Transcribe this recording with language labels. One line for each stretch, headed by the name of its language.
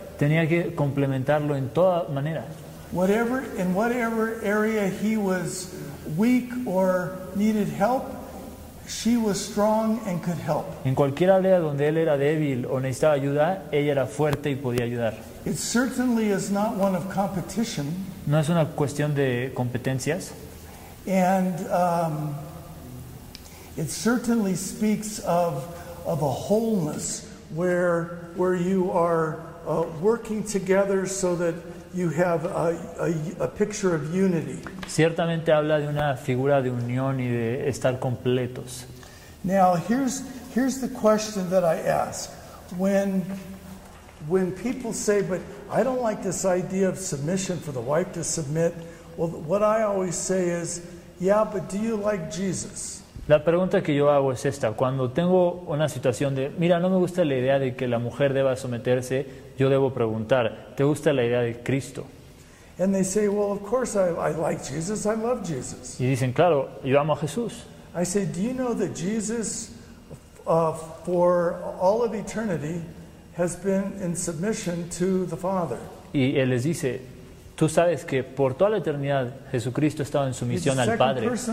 Spanish: Tenía que complementarlo en toda manera.
English: Whatever area he was weak or needed help, she was strong and could help.
Spanish: En cualquier área donde él era débil o necesitaba ayuda, ella era fuerte y podía ayudar.
English: It certainly is not one of competition.
Spanish: No es una cuestión de competencias.
English: And it certainly speaks of a wholeness where you are working together so that you have a picture of unity.
Spanish: Ciertamente habla de una figura de unión y de estar completos.
English: Now here's the question that I ask. When people say, "But I don't like this idea of submission for the wife to submit," well, what I always say is, "Yeah, but do you like Jesus?"
Spanish: La pregunta que yo hago es esta. Cuando tengo una situación de, mira, no me gusta la idea de que la mujer deba someterse, yo debo preguntar, ¿te gusta la idea de Cristo?
English: And they say, "Well, of course I like Jesus. I love Jesus."
Spanish: Y dicen, claro, yo amo a Jesús.
English: I say, "Do you know that Jesus for all of eternity has been in submission to the Father?"
Spanish: Y él les dice, tú sabes que por toda la eternidad Jesucristo ha estado en sumisión al Padre.